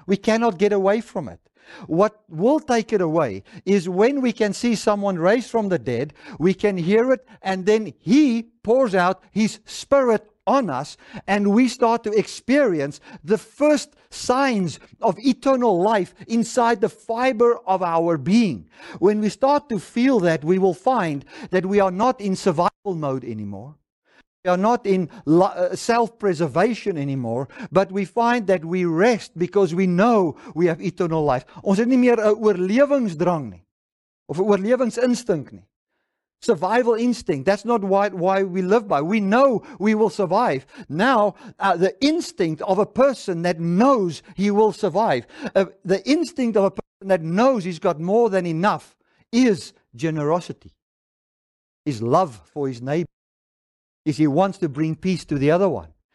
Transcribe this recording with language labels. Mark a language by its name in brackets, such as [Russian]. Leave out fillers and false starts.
[English] We cannot get away from it. What will take it away is when we can see someone raised from the dead, we can hear it, and then he pours out his spirit on us, and we start to experience the first signs of eternal life inside the fiber of our being. When we start to feel that, we will find that we are not in survival mode anymore. We are not in self-preservation anymore, but we find that we rest because we know we have eternal life. [Afrikaans] Ons het nie meer 'n oorlewingsdrang nie, of 'n oorlewingsinstink nie. [English] Survival instinct, that's not why we live by. We know we will survive. Now, the instinct of a person that knows he will survive, the instinct of a person that knows he's got more than enough is generosity, is love for his neighbor, is he wants to bring peace to the other one.